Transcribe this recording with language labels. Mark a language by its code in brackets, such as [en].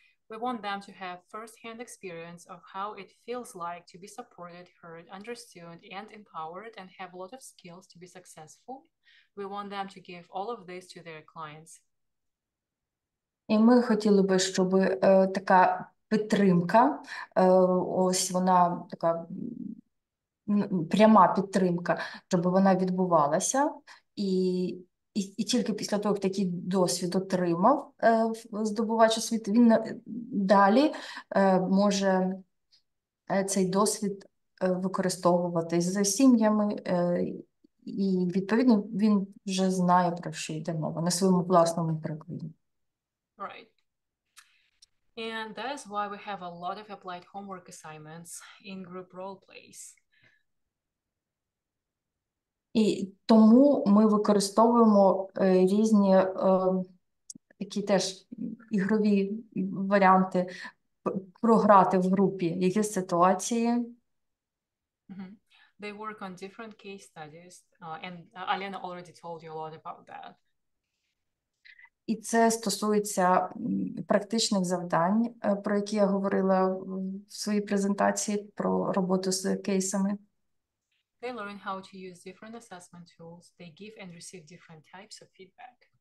[en] We want them to have first-hand experience of how it feels like to be supported, heard, understood, and empowered, and have a lot of skills to be successful. We want them to give all of this to their clients. [uk] І ми хотіли би, щоб така підтримка, ось вона така пряма підтримка, щоб вона відбувалася і тільки після того, як такий досвід отримав здобувач освіти, він далі може цей досвід використовувати за сім'ями, і відповідно він вже знає, про що йде мова на своєму власному прикладі. [en] Right. And that is why we have a lot of applied homework assignments in group role plays. [uk] І тому ми використовуємо різні такі теж ігрові варіанти програти в групі якісь ситуації. [en] They work on different case studies, and Alena already told you a lot about that. [uk] І це стосується практичних завдань, про які я говорила в своїй презентації про роботу з кейсами. [en] They learn how to use different assessment tools. They give and receive different types of feedback.